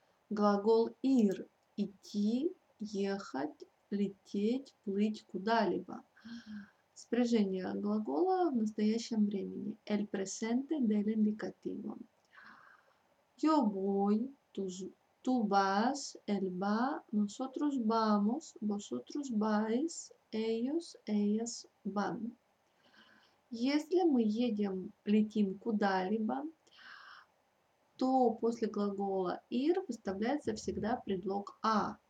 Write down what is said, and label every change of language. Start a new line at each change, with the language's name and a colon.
Russian: Глагол ir – идти, ехать, лететь, плыть куда-либо. Спряжение глагола в настоящем времени.
Spanish: El presente del indicativo. Yo voy, tú vas, él va, nosotros vamos, vosotros vais, ellos, ellas van.
Russian: Если мы едем, летим куда-либо, то после глагола ir выставляется всегда предлог a.